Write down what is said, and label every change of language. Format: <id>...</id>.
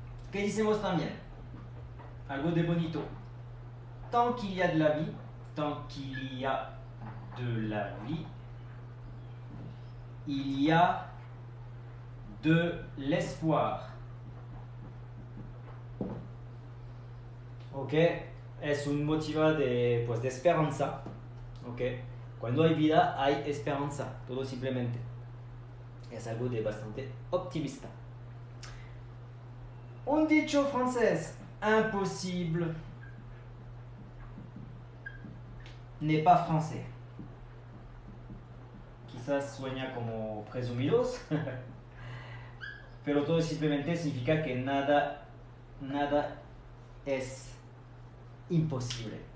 <es>¿Qué hicimos también? Algo de bonito.</es> <fr>Tant qu'il y a de la vie, tant qu'il y a de la vie, il y a de l'espoir.</fr> <es>Ok, es un motivo de, pues, de esperanza. Ok, cuando hay vida hay esperanza, todo simplemente. Es algo de bastante optimista. Un dicho francés,</es> <fr>imposible n'est pas français.</fr> <es>Quizás suena como presumidos, pero todo simplemente significa que nada, nada es imposible.</es>